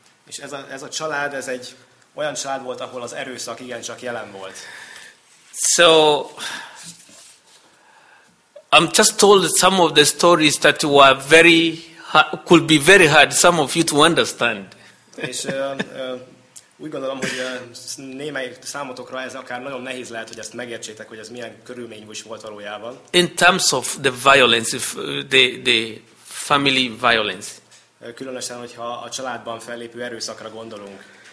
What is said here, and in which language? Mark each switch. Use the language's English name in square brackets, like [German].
[Hungarian] És ez a család, ez egy olyan család volt, ahol az erőszak igen csak jelen volt. [English] So I'm just told some of the stories that were very could be very hard some of you to understand. [Hungarian] És úgy gondolom, hogy némelyik számotokra ez akár nagyon nehéz lehet, hogy ezt megértsétek, hogy ez milyen körülmény volt valójában. [English] In terms of the violence, the family violence. [Hungarian] Különösen, hogyha a családban fellépő erőszakra gondolunk.